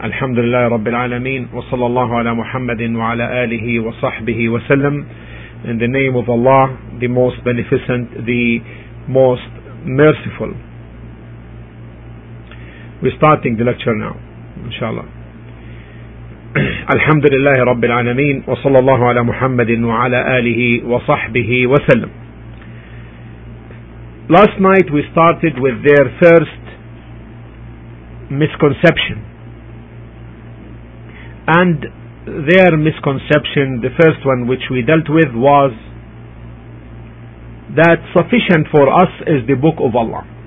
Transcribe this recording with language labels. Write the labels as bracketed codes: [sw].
[ar] الحمد لله رب العالمين، وصلى الله على محمد وعلى آله وصحبه وسلم. [en] In the name of Allah, the most beneficent, the most merciful. We're starting the lecture now, inshallah. [ar] الحمد لله رب العالمين، وصلى الله على محمد وعلى آله وصحبه وسلم. [en] Last night we started with their first misconception. And their misconception, the first one which we dealt with, was that sufficient for us is the Book of Allah.